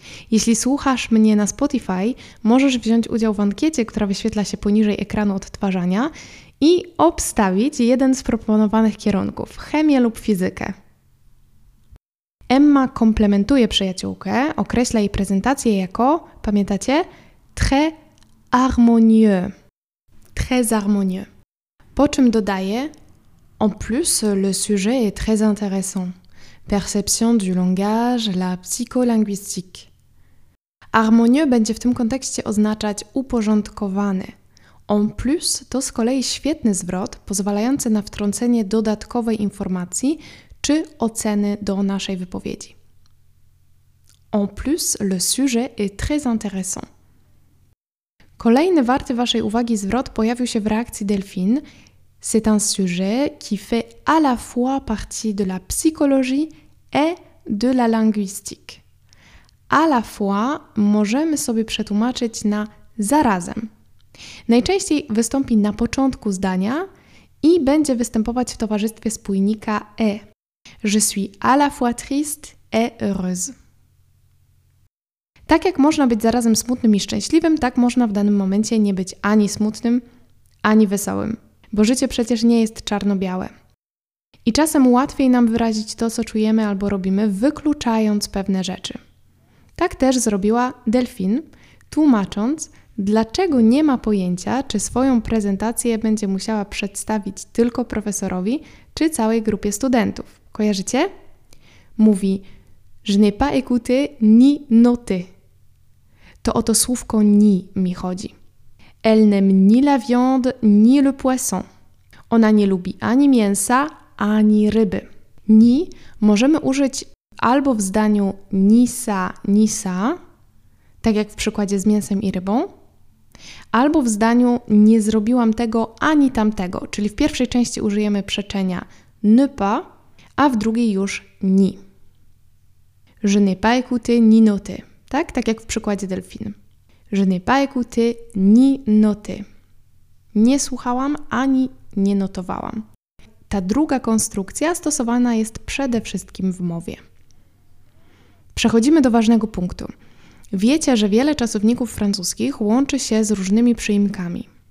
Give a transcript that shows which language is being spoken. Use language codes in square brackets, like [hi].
[pl] Jeśli słuchasz mnie na Spotify, możesz wziąć udział w ankiecie, która wyświetla się poniżej ekranu odtwarzania i obstawić jeden z proponowanych kierunków – chemię lub fizykę. Emma komplementuje przyjaciółkę, określa jej prezentację jako, pamiętacie, [fr] très harmonieux. Très harmonieux. [pl] Po czym dodaje, [fr] en plus, le sujet est très intéressant. Perception du langage, la psycholinguistique. [pl] Harmonieux będzie w tym kontekście oznaczać uporządkowany. [fr] En plus [pl] to z kolei świetny zwrot, pozwalający na wtrącenie dodatkowej informacji czy oceny do naszej wypowiedzi. [fr] En plus, le sujet est très intéressant. [pl] Kolejny warty Waszej uwagi zwrot pojawił się w reakcji Delphine. [fr] C'est un sujet qui fait à la fois partie de la psychologie et de la linguistique. À la fois [pl] możemy sobie przetłumaczyć na zarazem. Najczęściej wystąpi na początku zdania i będzie występować w towarzystwie spójnika et. [fr] Je suis à la fois triste et heureuse. [pl] Tak jak można być zarazem smutnym i szczęśliwym, tak można w danym momencie nie być ani smutnym, ani wesołym. Bo życie przecież nie jest czarno-białe. I czasem łatwiej nam wyrazić to, co czujemy albo robimy, wykluczając pewne rzeczy. Tak też zrobiła Delphine, tłumacząc, dlaczego nie ma pojęcia, czy swoją prezentację będzie musiała przedstawić tylko profesorowi, czy całej grupie studentów. Kojarzycie? Mówi: [fr] Je n'ai pas écouté ni noté. [pl] To o to słówko ni mi chodzi. [fr] Elle n'aime ni la viande, ni le poisson. [pl] Ona nie lubi ani mięsa, ani ryby. Ni możemy użyć albo w zdaniu [fr] ni ça, ni ça, [pl] tak jak w przykładzie z mięsem i rybą, albo w zdaniu nie zrobiłam tego ani tamtego, czyli w pierwszej części użyjemy przeczenia [fr] ne pas, [pl] a w drugiej już ni. [fr] Je n'ai pas écouté ni noté. [pl] Tak? Tak jak w przykładzie Delphine. [fr] Je n'ai pas écouté ni noté. [pl] Nie słuchałam ani nie notowałam. Ta druga konstrukcja stosowana jest przede wszystkim w mowie. Przechodzimy do ważnego punktu. Wiecie, że wiele czasowników francuskich łączy się z różnymi przyimkami.